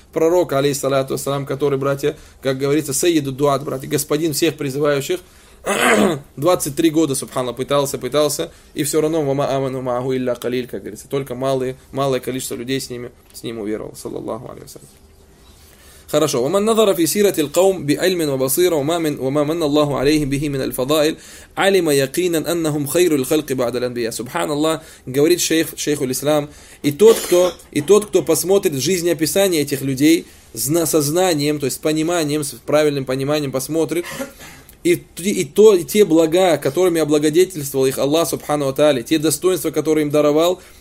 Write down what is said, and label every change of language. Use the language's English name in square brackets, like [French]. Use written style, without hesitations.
[Russian] Пророк, алейхиссалату ассалам, который, братья, как говорится, сейду дуат, братья, господин всех призывающих, 23 года, субханаллах, пытался, и все равно, вама аману маагу илля калиль, как говорится, только малое количество людей с ним уверовало, саллаллаху алейхи ва саллям. Хорошо. [Arabic] ومن نظر في سيرة القوم بعلم وبصيرة وما من الله عليهم به من الفضائل علم يقينا أنهم خير الخلق بعد الأنبياء. سبحان الله. [Russian] Говорит шейх ислам. И тот, кто посмотрит жизнеописание этих людей с сознанием, то есть с пониманием, с правильным пониманием посмотрит. И те блага, которыми облагодетельствовал их Аллах سبحانه وتعالى, те достоинства, которые им даровал.